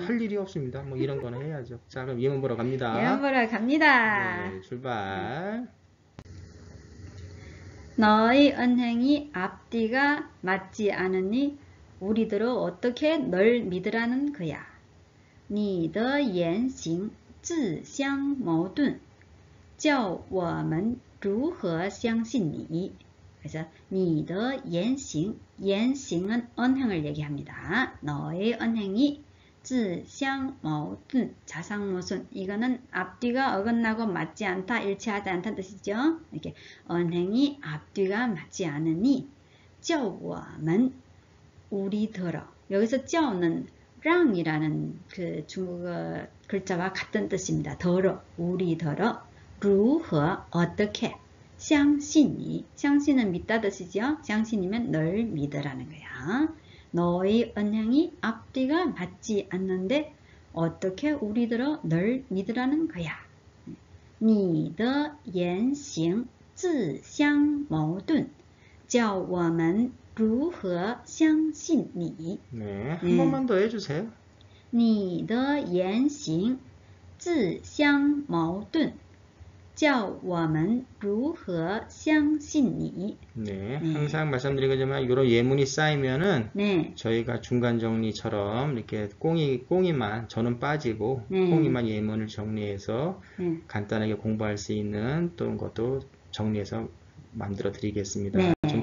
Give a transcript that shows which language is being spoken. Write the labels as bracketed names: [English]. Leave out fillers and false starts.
[Korean] 네. 할 일이 없습니다. 뭐 이런 거는 해야죠. 자, 그럼 예문 보러 갑니다. 예언보러 갑니다. 네, 출발. 너의 언행이 앞뒤가 맞지 않으니 우리들로 어떻게 널 믿으라는 거야? [Chinese] 네의 言行 自相 矛盾, 叫我们如何相信你？ [Korean] 그래서 네의 [Chinese] 言行, [Korean] 言行은 언행을 얘기합니다. 너의 언행이 [Chinese] 自相 矛盾, [Korean] 자상 모순. 이거는 앞뒤가 어긋나고 맞지 않다, 일치하지 않다는 뜻이죠. 이렇게 언행이 앞뒤가 맞지 않으니 [Chinese] 叫我们 [Korean] 우리더러. 여기서 叫는 랑이라는 그 중국어 글자와 같은 뜻입니다. 더러, 우리더러. [Chinese] 如何 [Korean] 어떻게 [Chinese] 相信你, [Korean] 相信은 믿다 뜻이죠. 相信이면 널 믿으라는 거야. 너의 언행이 앞뒤가 맞지 않는데 어떻게 우리들어 널 믿으라는 거야? [Chinese] 你的言行自相矛盾, 叫我们如何相信你? [Korean] 네, 한 네. 번만 더 해주세요. [Chinese] 你的言行自相矛盾, 叫我们如何相信你? [Korean] 네, 네. 항상 말씀드린 것처럼 이런 예문이 쌓이면은 네. 저희가 중간 정리처럼 이렇게 꽁이만 저는 빠지고 네. 꽁이만 예문을 정리해서 네. 간단하게 공부할 수 있는 또 것도 정리해서 만들어 드리겠습니다. 좀